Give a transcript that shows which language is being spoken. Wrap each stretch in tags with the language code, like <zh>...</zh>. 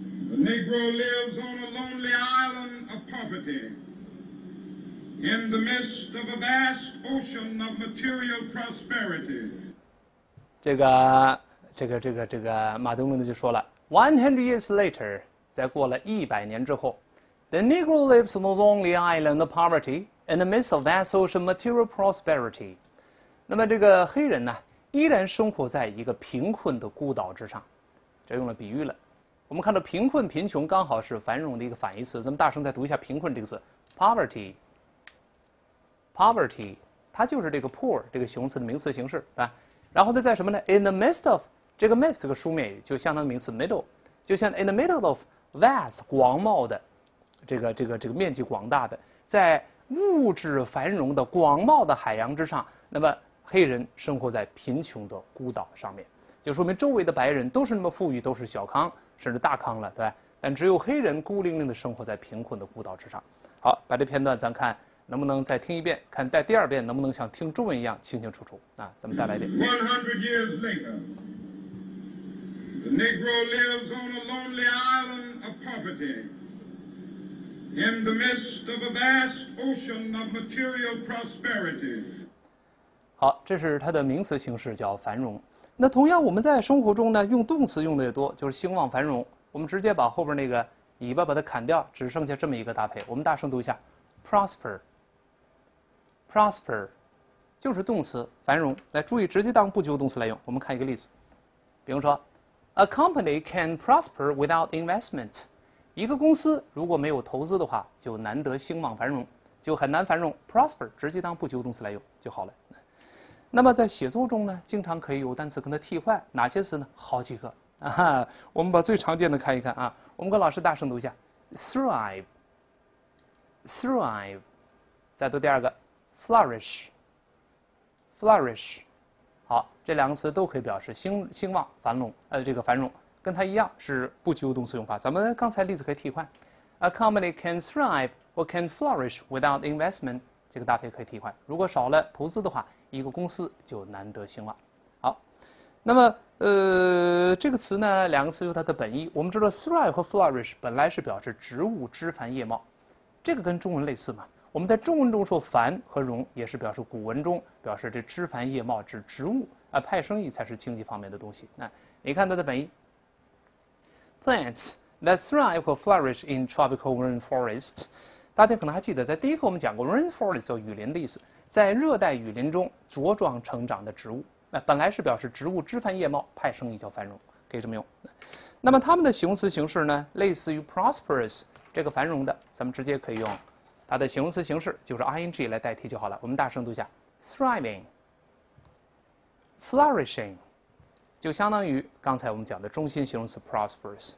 <en>The Negro lives on a lonely island of poverty in the midst of a vast ocean of material prosperity. 这个马丁路德就说了 ,100 years later, 再过了100年之后 ,the Negro lives on a lonely island of poverty in the midst of vast ocean material prosperity.</en> <zh>那么这个黑人呢依然生活在一个贫困的孤岛之上。这用了比喻了。我们看到贫困、贫穷刚好是繁荣的一个反义词。咱们大声再读一下贫困这个词 ， poverty，poverty，它就是这个 poor 这个形容词的名词形式，是吧？然后呢，在什么呢 ？ In the midst of 这个 midst 这个书面语就相当于名词 middle， 就像 in the middle of vast 广袤的，这个面积广大的，在物质繁荣的广袤的海洋之上，那么黑人生活在贫穷的孤岛上面，就说明周围的白人都是那么富裕，都是小康。甚至大康了，对吧？但只有黑人孤零零地生活在贫困的孤岛之上。好，把这片段咱看能不能再听一遍，看在第二遍能不能像听中文一样清清楚楚啊？咱们再来一遍。</zh> <en>100 years later, the Negro lives on a lonely island of poverty in the midst of a vast ocean of material prosperity.</en> <zh>好，这是它的名词形式，叫繁荣。那同样，我们在生活中呢，用动词用的也多，就是兴旺繁荣。我们直接把后边那个尾巴把它砍掉，只剩下这么一个搭配。我们大声读一下 ， prosper，prosper，就是动词繁荣。来，注意直接当不及物动词来用。我们看一个例子，比如说， A company can prosper without investment。一个公司如果没有投资的话，就难得兴旺繁荣，就很难繁荣。 prosper 直接当不及物动词来用就好了。那么在写作中呢，经常可以有单词跟它替换，哪些词呢？好几个啊。我们把最常见的看一看啊。我们跟老师大声读一下： thrive，thrive。再读第二个， flourish，flourish。好，这两个词都可以表示兴旺、繁荣，这个繁荣跟它一样是不及物动词用法。咱们刚才例子可以替换： A company can thrive or can flourish without investment。这个搭配可以替换，如果少了投资的话，一个公司就难得兴旺。好，那么这个词呢，两个词有它的本意。我们知道 thrive 和 flourish 本来是表示植物枝繁叶茂，这个跟中文类似嘛。我们在中文中说繁和荣，也是表示古文中表示这枝繁叶茂，指植物啊，派生意才是经济方面的东西。</zh> <en>那你看它的本意，plants that thrive or flourish in tropical rainforest。</en> <zh>大家可能还记得，在第一课我们讲过 rainforest 叫雨林的意思，在热带雨林中茁壮成长的植物，那本来是表示植物枝繁叶茂，派生意叫繁荣，可以这么用。那么它们的形容词形式呢，类似于 prosperous 这个繁荣的，咱们直接可以用它的形容词形式就是 ing 来代替就好了。我们大声读一下 ： thriving，flourishing，就相当于刚才我们讲的中心形容词 prosperous。</zh>